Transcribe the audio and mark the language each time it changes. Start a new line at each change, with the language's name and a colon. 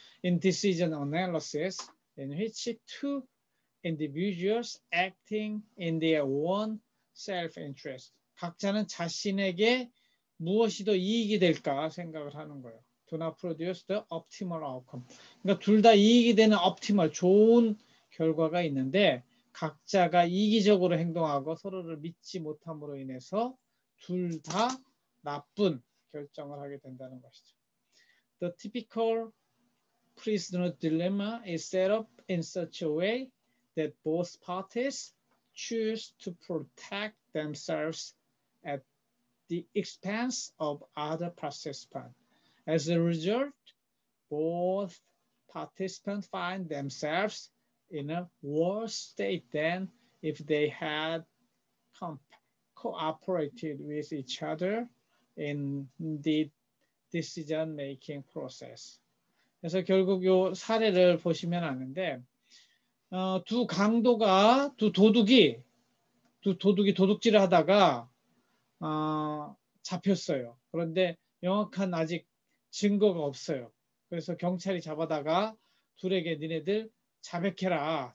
English: In decision analysis, in which two individuals acting in their own self-interest.
Korean: 각자는 자신에게 무엇이 더 이익이 될까 생각을 하는 거예요.
English: Do not produce the optimal outcome.
Korean: 그러니까 둘다 이익이 되는 optimal, 좋은 결과가 있는데 각자가 이기적으로 행동하고 서로를 믿지 못함으로 인해서 둘다 나쁜 결정을 하게 된다는 것이죠.
English: The typical prisoner dilemma is set up in such a way that both parties choose to protect themselves at the expense of other participants. As a result, both participants find themselves in a worse state than if they had cooperated with each other in the decision-making process.
Korean: 그래서 결국 이 사례를 보시면 아는데, 두 강도가, 두 도둑이 도둑질을 하다가, 잡혔어요. 그런데 명확한 아직 증거가 없어요. 그래서 경찰이 잡아다가 둘에게 니네들 자백해라.